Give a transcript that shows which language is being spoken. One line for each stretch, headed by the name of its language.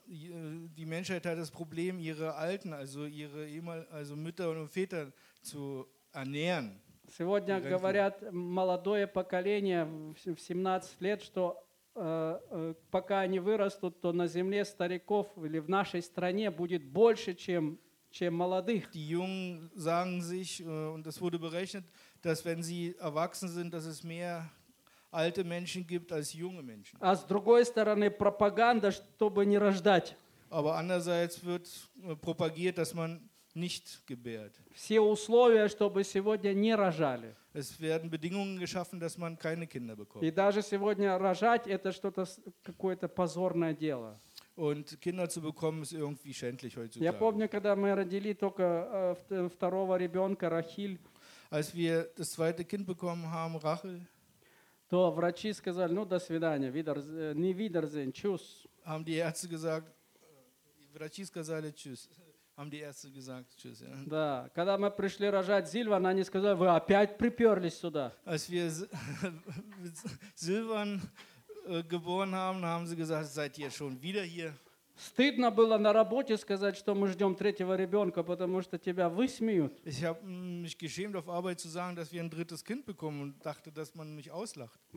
German: Die Menschheit hat das Problem, ihre Alten, also ihre also Mütter und Väter zu ernähren.
Russian: Сегодня говорят молодое поколение в 17 лет, что пока они вырастут, то на земле стариков или в нашей стране будет больше, чем молодых.
German: Die Jungen sagen sich, und das wurde berechnet, dass wenn sie erwachsen sind, dass es mehr alte Menschen gibt als junge Menschen.
Russian: А с другой стороны, пропаганда, чтобы не рождать.
German: Aber andererseits wird propagiert, dass man nicht gebärt.
Russian: Все условия, чтобы сегодня не рожали.
German: Es werden Bedingungen geschaffen, dass man keine Kinder bekommt.
Russian: И даже сегодня рожать это что-то какое-то позорное дело.
German: Und Kinder zu bekommen ist irgendwie schändlich heutzutage.
Russian: Я помню, когда мы родили только второго ребенка Рахиль.
German: Als wir das zweite Kind bekommen haben, Rachel.
Russian: То врачи сказали, ну до свидания,
German: не видерзен, чус. Haben die Ärzte gesagt,
Russian: врачи сказали чус.
German: Haben die Ärzte gesagt, tschüss.
Russian: Да, когда мы пришли рожать Silvan, они сказали, вы опять приперлись сюда.
German: Als wir Silvan geboren haben, haben sie gesagt, seid ihr schon wieder hier.
Russian: Стыдно было на работе сказать, что мы ждем третьего ребенка, потому что тебя высмеют.
German: Ich habe mich geschämt auf Arbeit zu sagen, dass wir ein drittes Kind bekommen und dachte, dass man mich auslacht.